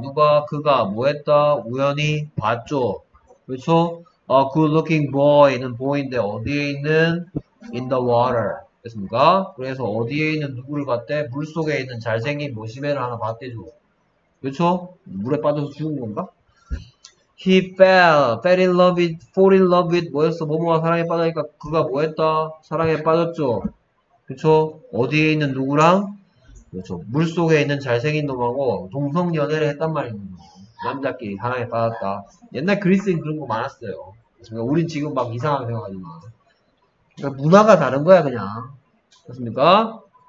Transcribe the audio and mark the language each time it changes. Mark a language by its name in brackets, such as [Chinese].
[Korean] 누가 그가 뭐했다? 우연히 봤죠. 그렇죠? [English] A good looking boy는 [Korean] 보이인데 어디에 있는? [English] In the water. 됐습니까? [Korean] 그래서 어디에 있는 누구를 봤대? 물 속에 있는 잘생긴 모시메를 하나 봤대죠. 그렇죠? 물에 빠져서 죽은 건가? [English] He fell in love with, fall in love with 뭐였어? [Korean] 뭐뭐가 사랑에 빠지니까 그가 뭐했다? 사랑에 빠졌죠. 그렇죠? 어디에 있는 누구랑? 그렇죠. 물 속에 있는 잘생긴 놈하고 동성 연애를 했단 말입니다. 남자끼리 사랑에 빠졌다. 옛날 그리스인 그런 거 많았어요. 그러니까 우린 지금 막 이상하게 생각하지만. 문화가 다른 거야, 그냥. 됐습니까?